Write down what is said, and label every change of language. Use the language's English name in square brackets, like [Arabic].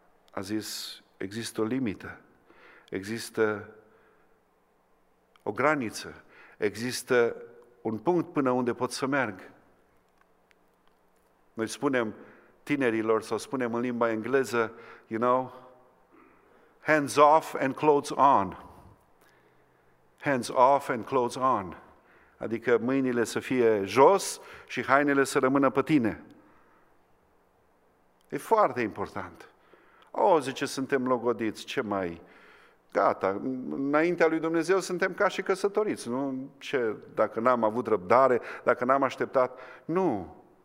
[Romanian] A zis, există o limită, există o graniță, există un punct până unde pot să merg. Noi spunem tinerilor, sau spunem în limba engleză, [English] you know, hands off and clothes on. Hands off and clothes on. [Romanian] Adică mâinile să fie jos și hainele să rămână pe tine. E foarte important. O, zice, suntem logodiți, ce mai... Gata, înaintea lui Dumnezeu suntem ca și căsătoriți, nu? Ce, dacă n-am avut răbdare, dacă n-am așteptat... Nu!